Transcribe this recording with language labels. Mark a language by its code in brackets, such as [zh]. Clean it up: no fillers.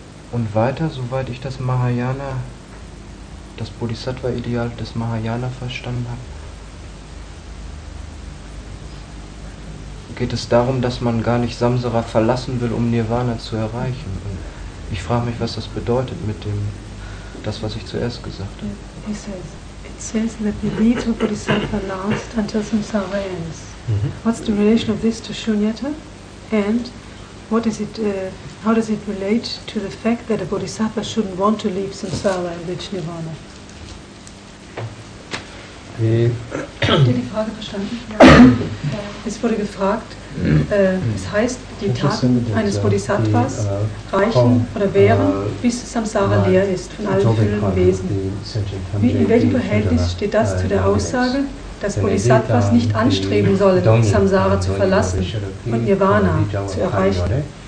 [de] Und weiter, soweit ich das Mahayana, das Bodhisattva-Ideal des Mahayana verstanden habe, geht es darum, dass man gar nicht Samsara verlassen will, um Nirvana zu erreichen. Und ich frage mich, was das bedeutet mit dem, das, was ich zuerst gesagt habe. [en] It says that the need for Bodhisattva lasts until samsara ends. Mm-hmm. What's the relation of this to Shunyata? And what is it? How does it relate to the fact that a Bodhisattva shouldn't want to leave samsara and reach Nirvana? [de] Habt ihr die Frage verstanden? Es wurde gefragt, es heißt, die Taten eines Bodhisattvas reichen oder wären, bis Samsara leer ist von allen fühlenden Wesen. In welchem Verhältnis steht das zu der Aussage, dass Bodhisattvas nicht anstreben sollen, Samsara zu verlassen und Nirvana zu erreichen?